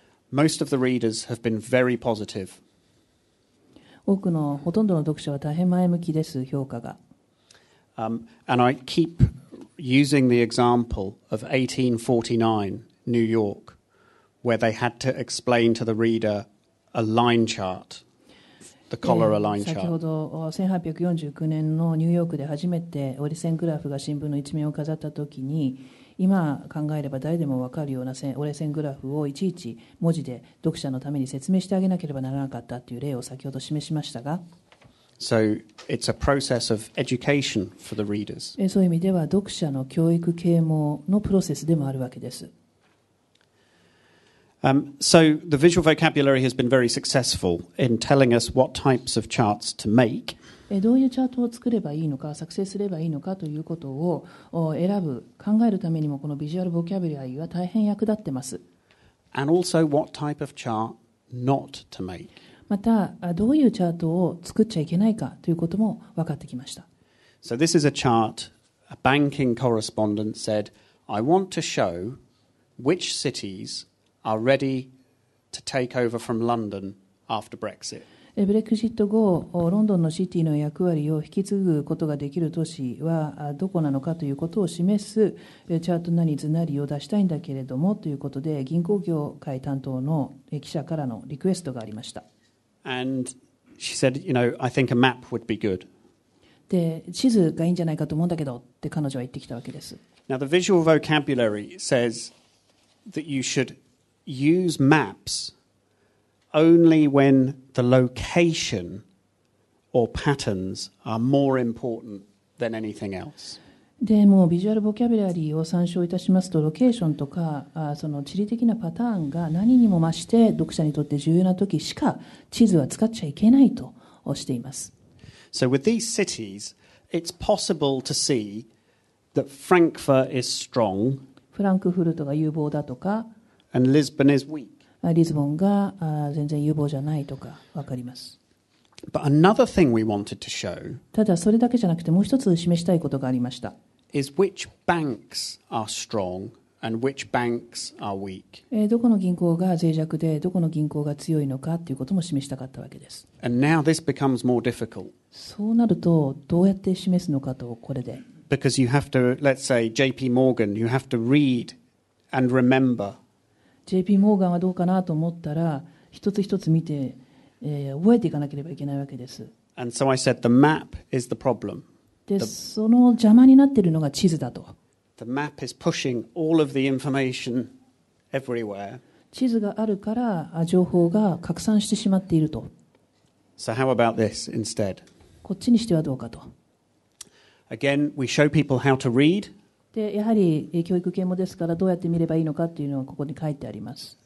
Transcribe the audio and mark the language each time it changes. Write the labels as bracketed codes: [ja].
[en] Most of the readers have been very positive. [ja] 多くのほとんどの読者は大変前向きです、評価が。 [en] And I keep using the example of 1849 New York, where they had to explain to the reader a line chart. The color line chart. [ja] 先ほど1849年のニューヨークで初めて折り線グラフが新聞の一面を飾ったときに、今考えれば誰でも分かるような折り線グラフをいちいち文字で読者のために説明してあげなければならなかったという例を先ほど示しましたが、 [en] So it's a process of education for the readers. [ja] そういう意味では読者の教育啓蒙のプロセスでもあるわけです。 [en] So the visual vocabulary has been very successful in telling us what types of charts to make. [ja] どういうチャートを作ればいいのか、作成すればいいのかということを選ぶ、考えるためにもこのビジュアルボキャブラリーは大変役立ってます。 [en] And also what type of chart not to make. [ja] また、どういうチャートを作っちゃいけないかということも分かってきました。 [en] So this is a chart a banking correspondent said, I want to show which citiesare ready to take over from London after Brexit. [ja] ブレクジット後、ロンドンのシティの役割を引き継ぐことができる都市はどこなのかということを示すチャートなり図なりを出したいんだけれどもということで、銀行業界担当の記者からのリクエストがありました。 [en] And she said, you know, I think a map would be good. [ja] で、地図がいいんじゃないかと思うんだけどって彼女は言ってきたわけです。 [en] Now the visual vocabulary says that you shouldUse maps only when the location or patterns are more important than anything else. [ja] でもビジュアルボキャブラリーを参照いたしますと、ロケーションとかその地理的なパターンが何にも増して読者にとって重要な時しか地図は使っちゃいけないとしています。 [en] So with these cities, it's possible to see that Frankfurt is strong. [ja] フランクフルトが有望だとか、 [en] And Lisbon is weak. [ja] リズボンが全然有望じゃないとか分かります。 [en] But another thing we wanted to show, [ja] ただそれだけじゃなくてもう一つ示したいことがありました。 [en] Is which banks are strong and which banks are weak. [ja] どこの銀行が脆弱でどこの銀行が強いのかということも示したかったわけです。 [en] And now this becomes more difficult. [ja] そうなるとどうやって示すのかと、これで。 [en] Because you have to, let's say, JP Morgan, you have to read and remember [ja] JP モーガンはどうかなと思ったら、一つ一つ見て、覚えていかなければいけないわけです。 [en] And so I said the map is the problem. [ja] で、その邪魔になっているのが地図だと。 [en] The map is pushing all of the information everywhere. [ja] 地図があるから情報が拡散してしまっていると。 [en] So how about this instead? [ja] こっちにしてはどうかと。 [en] Again, we show people how to read. [ja] でやはり教育啓蒙ですから、どうやって見ればいいのかというのはここに書いてあります。